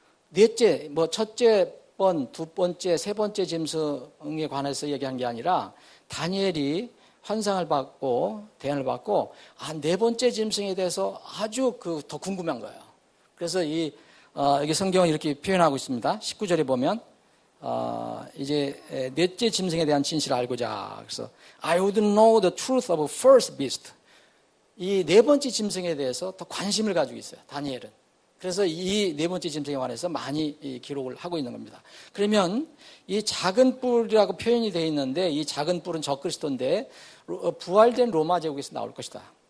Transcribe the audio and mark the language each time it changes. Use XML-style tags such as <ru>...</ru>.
<ko>넷째 뭐 첫째 번, 두 번째, 세 번째 짐승에 관해서 얘기한 게 아니라 다니엘이 환상을 받고 대안을 받고 네 번째 짐승에 대해서 아주 더 궁금한 거예요. 그래서 여기 성경은 이렇게 표현하고 있습니다. 19절에 보면 이제 넷째 짐승에 대한 진실을 알고자. 그래서</ko> <en>I would know the truth of the first beast.</en> <ko>이 네 번째 짐승에 대해서 더 관심을 가지고 있어요. 다니엘은. 그래서 이 네 번째 짐승에 관해서 많이 기록을 하고 있는 겁니다. 그러면 이 작은 뿔이라고 표현이 되어 있는데 이 작은 뿔은 적그리스도인데 부활된 로마 제국에서 나올 것이다.</ko>